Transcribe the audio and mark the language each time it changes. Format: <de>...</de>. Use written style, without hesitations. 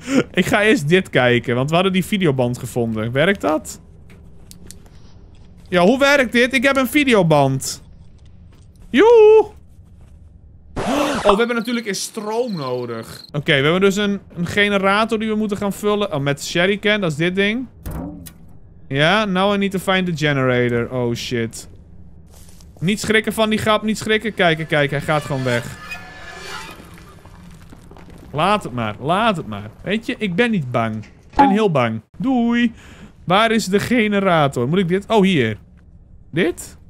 <nl>Ik ga eerst dit kijken, want we hadden die videoband gevonden. Werkt dat? Ja, hoe werkt dit? Ik heb een videoband. Joe! Oh, we hebben natuurlijk eens stroom nodig. Oké, we hebben dus een generator die we moeten gaan vullen. Oh, met sherrycan, dat is dit ding.</nl> <en>Ja, now I need to find the generator. Oh, shit.</en> <nl>Niet schrikken van die grap, niet schrikken. Kijk, hij gaat gewoon weg. Laat het maar. Weet je, ik ben niet bang. Ik ben heel bang. Doei. Waar is de generator? Moet ik dit? Oh, hier. Dit?</nl>